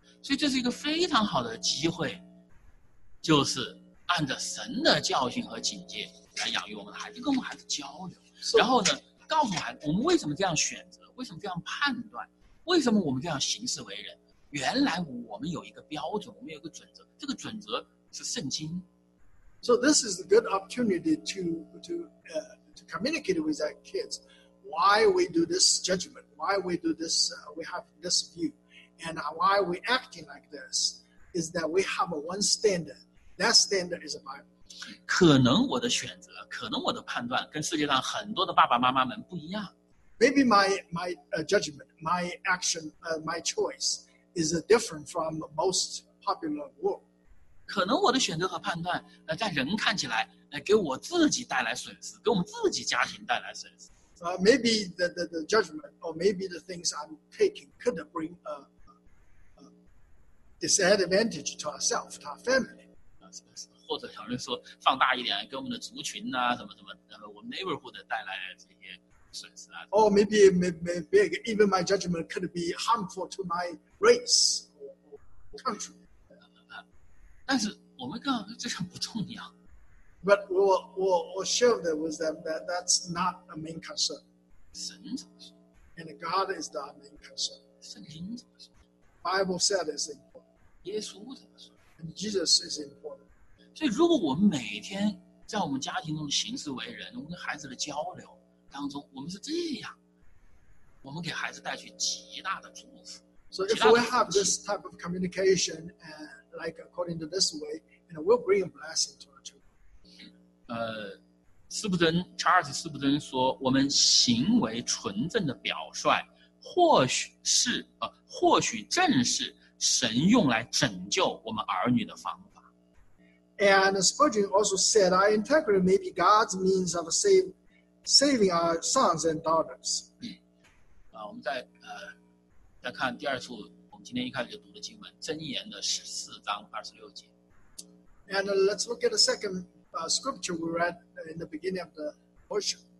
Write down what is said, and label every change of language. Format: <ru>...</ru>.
<zh>所以这是一个非常好的机会，就是按照神的教训和警戒来养育我们的孩子，跟我们孩子交流。</zh> <en>So,</en> <zh>然后呢，告诉孩子我们为什么这样选择，为什么这样判断，为什么我们这样行事为人。原来我们有一个标准，我们有一个准则，这个准则是圣经。</zh> <en>So this is a good opportunity to communicate with our kids why we do this judgment, why we do this, we have this view, and why we acting like this is that we have one standard. That standard is the Bible.</en> <zh>可能我的选择，可能我的判断跟世界上很多的爸爸妈妈们不一样。</zh> <en>Maybe my judgment, my action, my choice is different from most popular world.</en> <zh>可能我的选择和判断，在人看起来，给我自己带来损失，给我们自己家庭带来损失。</zh> <en>Maybe the judgment or maybe the things I'm taking could bring a disadvantage to ourselves, to our family.</en> <zh>或者有人说放大一点，给我们的族群啊，什么什么，然后我们 neighborhood 带来这些损失啊。</zh> <en>Or maybe big, even my judgment could be harmful to my race or country.</en> <zh>但是我们刚刚这项不重要。</zh> <en>But we'll share that with them that that's not a main concern.</en> <zh>神怎么说？</zh> <en>And God is the main concern.</en> <zh>圣经怎么说？</zh> <en>Bible said it's important.</en> <zh>耶稣怎么说？</zh> <en>And Jesus is important.</en> <zh>所以如果我们每天在我们家庭中的行事为人，我们跟孩子的交流当中，我们是这样，我们给孩子带去极大的祝福。</zh> <en>So if we have this type of communication, like according to this way, and we'll bring a blessing to our children.</en> <zh>斯普登，查尔斯·斯普登说，我们行为纯正的表率，或许正是神用来拯救我们儿女的方法。</zh> <en>And Spurgeon also said, I interpret maybe God's means of saving our sons and daughters.</en> <zh>我们再看第二处，我们今天一开始就读的经文，箴言的十四章二十六节。</zh> <en>And let's look at the second scripture we read in the beginning of the portion.</en>